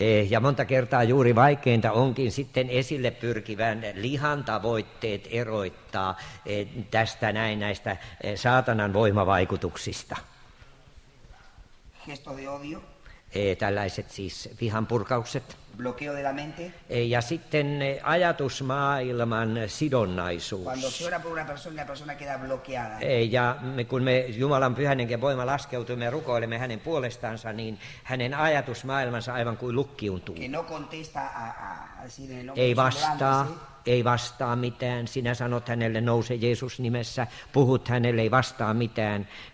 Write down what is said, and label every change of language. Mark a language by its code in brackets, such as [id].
[fi] Ja monta kertaa juuri vaikeinta onkin sitten esille pyrkivän lihan tavoitteet eroittaa tästä näin näistä saatanan voimavaikutuksista. [es] Gesto de odio. [fi] Tällaiset siis vihan purkaukset. [es] Bloqueo de la mente. [fi] Ja sitten ajatusmaailman sidonnaisuus. [es] Cuando se ora por una persona, la persona queda bloqueada. [fi] Ja kun me Jumalan pyhän henken voima laskeutuu, me rukoilemme hänen puolestansa, niin hänen ajatusmaailmansa aivan kuin lukkiuntuu. [es] Que no contesta a decir, [fi] ei vastaa. ei vastaa mitään. Sinä sanot hänelle, nouse Jeesus nimessä, puhut hänelle, ei vastaa mitään.